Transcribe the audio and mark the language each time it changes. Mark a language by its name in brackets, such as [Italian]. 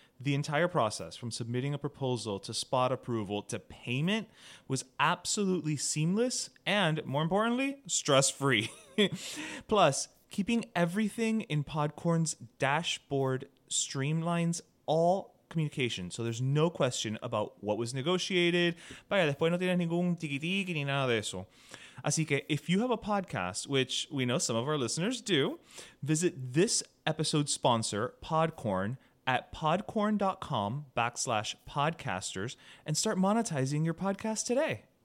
[English] The entire process, from submitting a proposal to spot approval to payment, was absolutely seamless and, more importantly, stress-free. Plus, keeping everything in Podcorn's dashboard streamlines all communication, so there's no question about what was negotiated. [Spanish] Vaya, después no tienes ningún tiki-tiki ni nada de eso. Así que, [English] if you have a podcast, which we know some of our listeners do, visit this episode's sponsor, Podcorn, at podcorn.com/podcasters and start monetizing your podcast today.